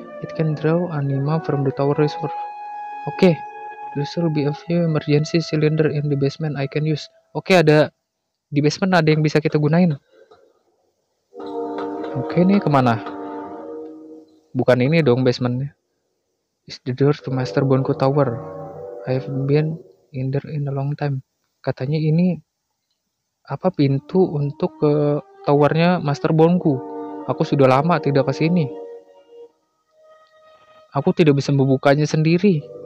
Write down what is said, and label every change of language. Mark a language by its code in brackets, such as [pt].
[en] It can draw anima from the tower reserve. Oke. There should be a few emergency cylinder in the basement I can use. [id] Oke, ada. Di basement ada yang bisa kita gunain. Oke, nih kemana? Bukan ini dong basementnya. [en] It's the door to Master Bone-ku Tower. I have been in there in a long time. [id] Katanya ini apa pintu untuk ke towernya Master Bone-ku. Aku sudah lama tidak kesini. Aku tidak bisa membukanya sendiri.